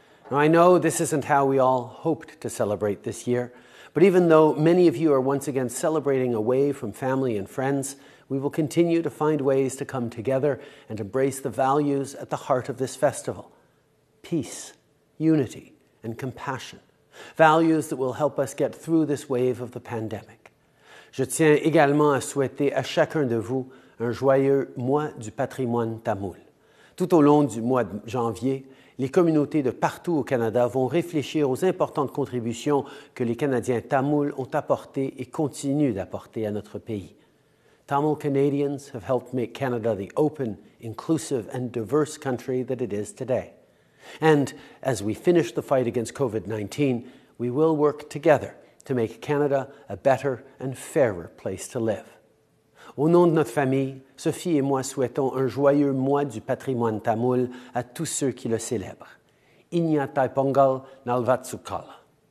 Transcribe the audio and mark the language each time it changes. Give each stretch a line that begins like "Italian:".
English: Now, I know this isn't how we all hoped to celebrate this year, but even though many of you are once again celebrating away from family and friends, we will continue to find ways to come together and embrace the values at the heart of this festival: peace, unity, and compassion. Values that will help us get through this wave of the pandemic.
French: Je tiens également à souhaiter à chacun de vous un joyeux mois du patrimoine tamoul. Tout au long du mois de janvier, les communautés de partout au Canada vont réfléchir aux importantes contributions que les Canadiens tamouls ont apportées et continuent d'apporter à notre pays.
English: Tamil Canadians have helped make Canada the open, inclusive and diverse country that it is today. And as we finish the fight against COVID-19, we will work together to make Canada a better and fairer place to live.
French: Au nom de notre famille, Sophie et moi souhaitons un joyeux mois du patrimoine tamoul à tous ceux qui le célèbrent.
Tamil: Inya Thai Pongal Nalvatsukala.